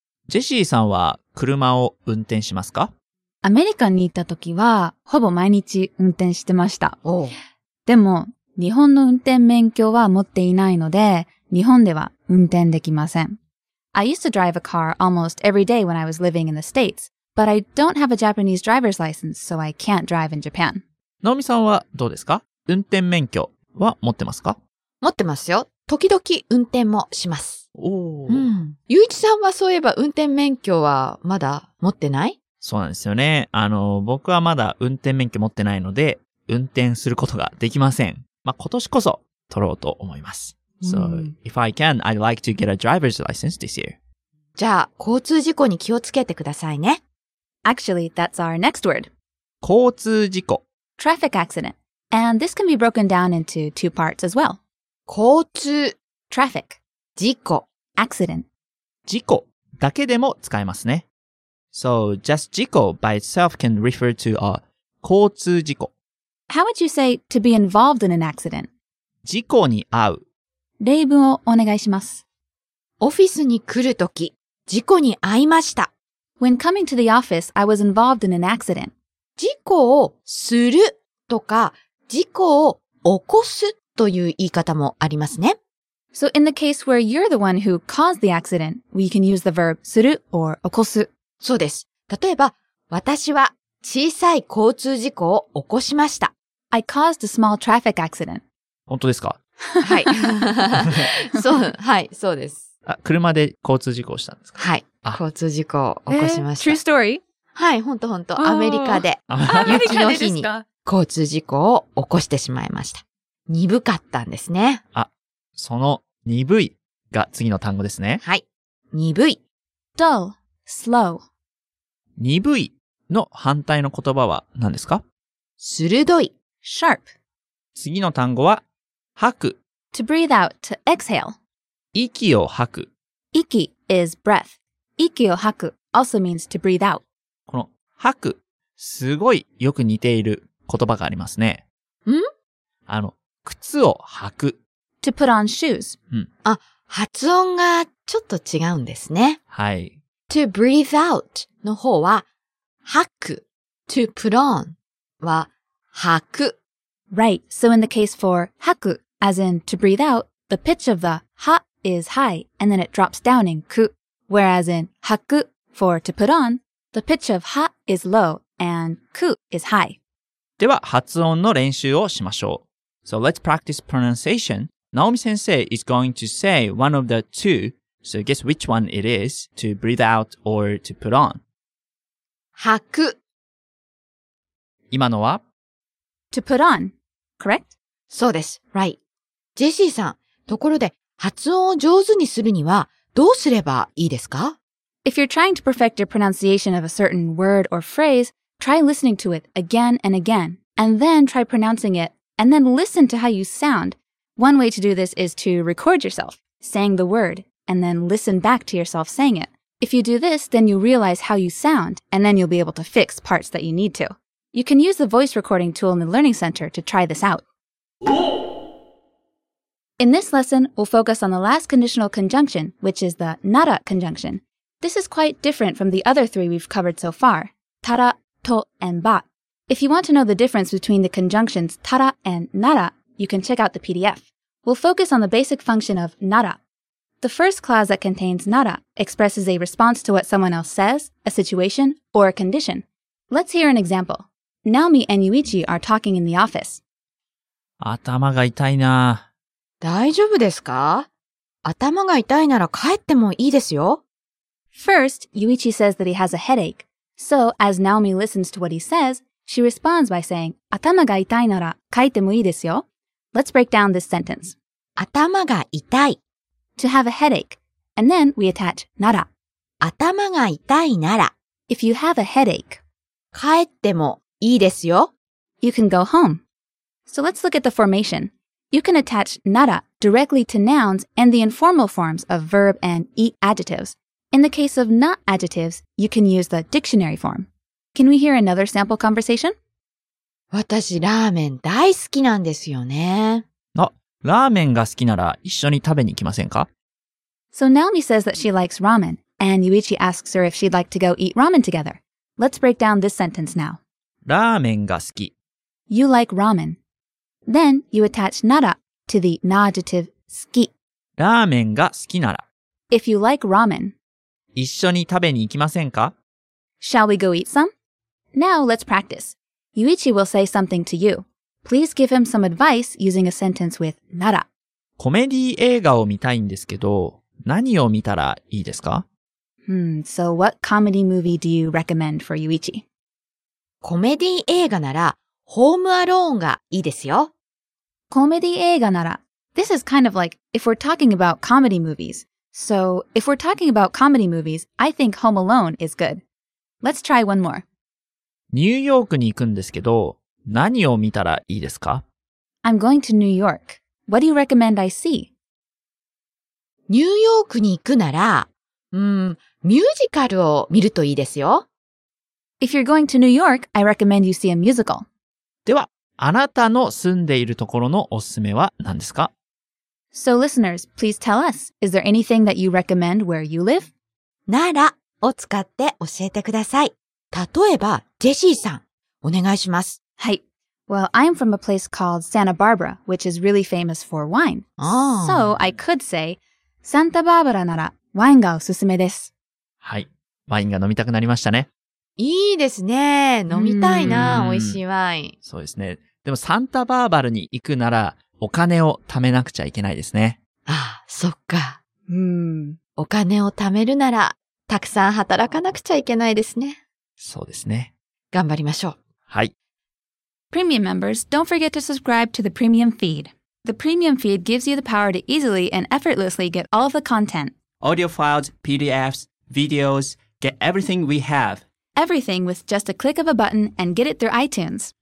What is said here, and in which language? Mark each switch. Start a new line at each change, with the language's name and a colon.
Japanese: ジェシーさんは車を運転しますか? アメリカに行った時はほぼ毎日運転してました。おでも日本の運転免許は持っていないので日本では運転できません。
English: I used to drive a car almost every day when I was living in the States, but I don't have a Japanese driver's license, so I can't drive in Japan.
Japanese: ナオミさんはどうですか?運転免許は持ってますか? 持ってますよ。時々運転もします。おうん。ゆういちさんはそういえば運転免許はまだ持ってない? そうなんですよね。僕はまだ運転免許持ってないので運転することができません。まあ、今年こそ取ろうと思います。
English: So, if I can, I'd like to get a driver's license this year.
Japanese: じゃあ、交通事故に気をつけてくださいね。
English: Actually, that's our next word.
Japanese: 交通事故。
English: Traffic accident. And this can be broken down into two parts as well.
Japanese: 交通。
English: Traffic.
Japanese: 事故。
English: Accident.
Japanese: 事故だけでも使えますね。
English: So, just 事故 by itself can refer to a 交通事故。 How would you say to be involved in an accident?
Japanese: 事故に遭う。例文をお願いします。オフィスに来るとき、事故に遭いました。
English: When coming to the office, I was involved in an accident.
Japanese: 事故をするとか、事故を起こすという言い方もありますね。
English: So in the case where you're the one who caused the accident, we can use the verb する or 起こす。
Japanese: そうです。例えば、私は小さい交通事故を起こしました。
English: I caused a small traffic accident.
Japanese: 本当ですか? はい。そう、はい、そうです。あ、車で交通事故をしたんですか? はい。交通事故を起こしました。
English: True story?
Japanese: はい、ほんとほんと。アメリカで、雪の日に交通事故を起こしてしまいました。鈍かったんですね。あ、その鈍いが次の単語ですね。はい。鈍い。
English: dull, slow。
Japanese: 鈍いの反対の言葉は何ですか? 鋭い。
English: sharp。
Japanese: 次の単語は、吐く。
English: to breathe out, to exhale.
Japanese: 息を吐く。
English: 息 is breath. 息を吐く also means to breathe out.
Japanese: この吐く、すごいよく似ている言葉がありますね。ん? 靴を吐く。
English: to put on shoes.
Japanese: うん。あ、発音がちょっと違うんですね。はい。
English: to breathe out
Japanese: の方は、吐く。
English: to put on
Japanese: は、吐く。
English: Right, so in the case for 吐く, as in to breathe out, the pitch of the ha is high, and then it drops down in ku. Whereas in 吐く, for to put on, the pitch of ha is low, and ku is high.
Japanese: では発音の練習をしましょう。
English: So let's practice pronunciation. Naomi 先生 is going to say one of the two, so guess which one it is, to breathe out or to put on.
Japanese: 吐く今のは
English: to put on, correct?
Japanese: そうです、right. ジェシーさん、ところで発音を上手にするにはどうすればいいですか?
English: If you're trying to perfect your pronunciation of a certain word or phrase, try listening to it again and again, and then try pronouncing it, and then listen to how you sound. One way to do this is to record yourself, saying the word, and then listen back to yourself saying it. If you do this, then you realize how you sound, and then you'll be able to fix parts that you need to. You can use the voice recording tool in the Learning Center to try this out. In this lesson, we'll focus on the last conditional conjunction, which is the nara conjunction. This is quite different from the other three we've covered so far, tara, to, and ba. If you want to know the difference between the conjunctions tara and nara, you can check out the PDF. We'll focus on the basic function of nara. The first clause that contains nara expresses a response to what someone else says, a situation, or a condition. Let's hear an example. Naomi and Yuichi are talking in the office.
Japanese: 頭が痛いな。大丈夫ですか?頭が痛いなら帰ってもいいですよ。
English: First, Yuichi says that he has a headache. So, as Naomi listens to what he says, she responds by saying,
Japanese: 頭が痛いなら書いてもいいですよ。
English: Let's break down this sentence.
Japanese: 頭が痛い。
English: To have a headache. And then we attach なら。
Japanese: 頭が痛いなら。
English: If you have a headache.
Japanese: 帰ってもいいですよ。
English: You can go home. So let's look at the formation. You can attach なら directly to nouns and the informal forms of verb and い adjectives. In the case of な adjectives, you can use the dictionary form. Can we hear another sample conversation?
Japanese: 私ラーメン大好きなんですよね。あ、ラーメンが好きなら一緒に食べに行きませんか?
English: So Naomi says that she likes ramen, and Yuichi asks her if she'd like to go eat ramen together. Let's break down this sentence now.
Japanese: ラーメンが好き。
English: You like ramen. Then you attach なら to the な adjective 好き。
Japanese: ラーメンが好きなら。
English: If you like ramen.
Japanese: 一緒に食べに行きませんか?
English: Shall we go eat some? Now let's practice. Yuichi will say something to you. Please give him some advice using a sentence with なら。
Japanese: コメディ映画を見たいんですけど、何を見たらいいですか?
English: So what comedy movie do you recommend for Yuichi?
Japanese: コメディ映画なら、ホームアローンがいいですよ。コメディ映画なら。
English: This is kind of like, if we're talking about comedy movies. So, if we're talking about comedy movies, I think Home Alone is good. Let's try one more.
Japanese: ニューヨークに行くんですけど、何を見たらいいですか?
English: I'm going to New York. What do you recommend I see?
Japanese: ニューヨークに行くなら、ミュージカルを見るといいですよ。
English: If you're going to New York, I recommend you see a musical.
Japanese: では、あなたの住んでいるところのおすすめは何ですか?
English: So listeners, please tell us, is there anything that you recommend where you live?
Japanese: ならを使って教えてください。例えば、ジェシーさん、お願いします。はい。
English: Well, I'm from a place called Santa Barbara, which is really famous for wine. So I could say, Santa Barbara
Japanese: ならワインがおすすめです。はい。ワインが飲みたくなりましたね。いいですね。飲みたいな、美味しいワイン。そうですね。でもサンタバーバルに行くなら、お金を貯めなくちゃいけないですね。ああ、そっか。お金を貯めるなら、たくさん働かなくちゃいけないですね。そうですね。頑張りましょう。はい。
English: Premium members, don't forget to subscribe to the premium feed. The premium feed gives you the power to easily and effortlessly get all of the content. Audio files, PDFs, videos, get everything we have. Everything with just a click of a button and get it through iTunes.